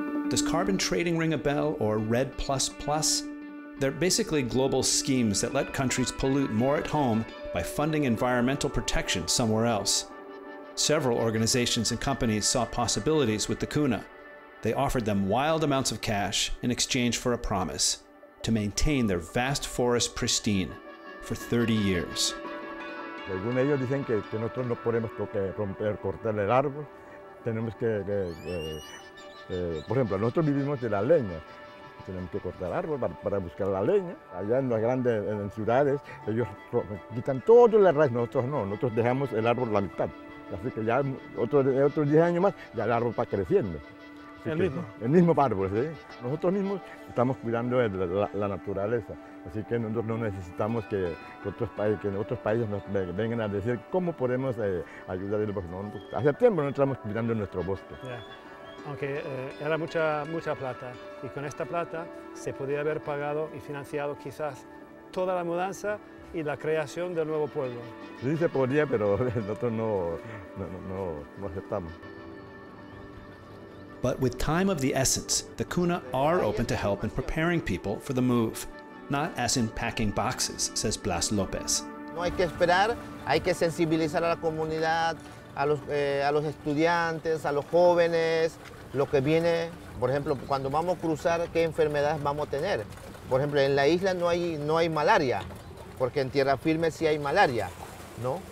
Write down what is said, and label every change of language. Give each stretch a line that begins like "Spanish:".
English: Does carbon trading ring a bell, or red plus plus? They're basically global schemes that let countries pollute more at home by funding environmental protection somewhere else. Several organizations and companies saw possibilities with the Kuna. They offered them wild amounts of cash in exchange for a promise to maintain their vast forest pristine for 30 years.
Spanish: Según ellos dicen que nosotros no podemos romper, cortar el árbol. Tenemos por ejemplo, nosotros vivimos de la leña. Tenemos que cortar árbol para buscar la leña. Allá en las grandes en ciudades, ellos quitan todo el raíz. Nosotros no, nosotros dejamos el árbol la mitad. Así que ya otros 10 años más, ya el árbol va creciendo. Así el mismo. El mismo árbol, sí. Nosotros mismos estamos cuidando la naturaleza. Así que nosotros no necesitamos que otros países nos vengan a decir cómo podemos ayudar el bosque. No, hace tiempo no estamos cuidando nuestro bosque. Yeah. Aunque era mucha plata. Y con esta plata se podía haber pagado y financiado quizás toda la mudanza y la creación del nuevo pueblo. Sí, se podría, pero nosotros no aceptamos.
English: But with time of the essence, the Kuna are open to help in preparing people for the move. Not as in packing boxes, says Blas López.
Spanish: No hay que esperar, hay que sensibilizar a la comunidad, a los estudiantes, a los jóvenes, lo que viene, por ejemplo, cuando vamos a cruzar, qué enfermedades vamos a tener. Por ejemplo, en la isla no hay malaria, porque en tierra firme sí hay malaria, ¿no?